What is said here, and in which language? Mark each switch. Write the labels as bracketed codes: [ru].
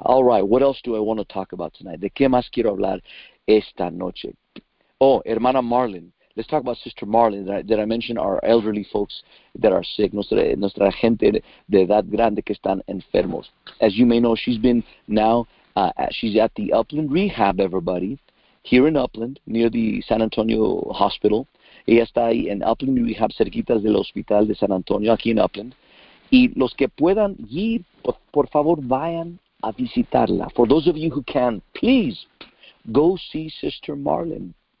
[en] All right, what else do I want to talk about tonight? [es] ¿De qué más quiero hablar esta noche? [en] Oh, hermana Marlin. Let's talk about Sister Marlin. Did I mention our elderly folks that are sick? [es] Nuestra gente de edad grande que están enfermos. [en] As you may know, she's been now, she's at the Upland Rehab, everybody, here in Upland, near the San Antonio Hospital. [es] Ella está ahí en Upland Rehab, cerquita del Hospital de San Antonio, aquí en Upland. Y los que puedan ir, por favor, vayan a visitarla. [en] For those of you who can, please, go see Sister Marlin.